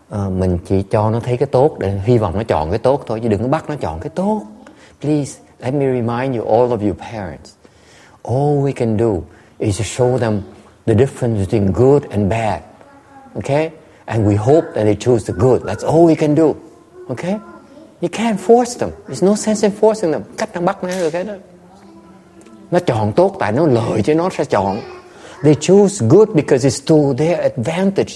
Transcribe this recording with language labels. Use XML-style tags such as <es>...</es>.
<vi>Mình chỉ cho nó thấy cái tốt để hy vọng nó chọn cái tốt thôi, chứ đừng có bắt nó chọn cái tốt.</vi> <en>Please, let me remind you, all of you parents. all we can do is show them the difference between good and bad. Okay? And we hope that they choose the good. That's all we can do. Okay? You can't force them. There's no sense in forcing them.</en> <vi>Cách nó bắt nó được cái đó. Nó chọn tốt tại nó lợi cho nó sẽ chọn.</vi> <en>They choose good because it's to their advantage.</en>